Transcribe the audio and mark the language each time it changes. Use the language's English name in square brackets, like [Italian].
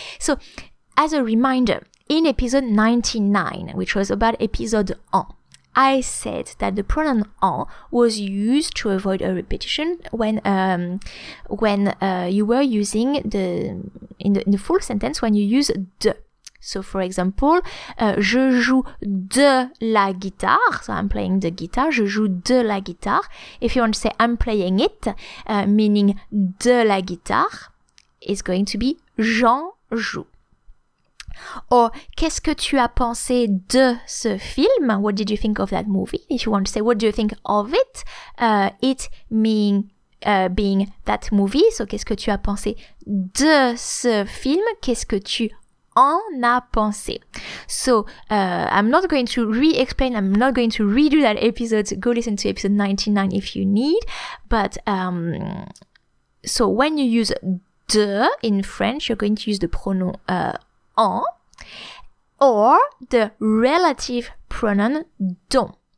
[English] So as a reminder, in episode 99, which was about episode en, I said that the pronoun en was used to avoid a repetition when you were using in the full sentence when you use de. So for example, [French] je joue de la guitare. [English] So I'm playing the guitar. [French] Je joue de la guitare. [English] If you want to say I'm playing it, meaning [French] de la guitare, [English] it's going to be [French] j'en joue. Or, qu'est-ce que tu as pensé de ce film? [English] What did you think of that movie? If you want to say, what do you think of it? It meaning being that movie. [French] So, qu'est-ce que tu as pensé de ce film? Qu'est-ce que tu en as pensé? [English] So, I'm not going to re-explain, I'm not going to redo that episode. Go listen to episode 99 if you need. But, so when you use de in French, you're going to use the pronoun en, or the relative pronoun don.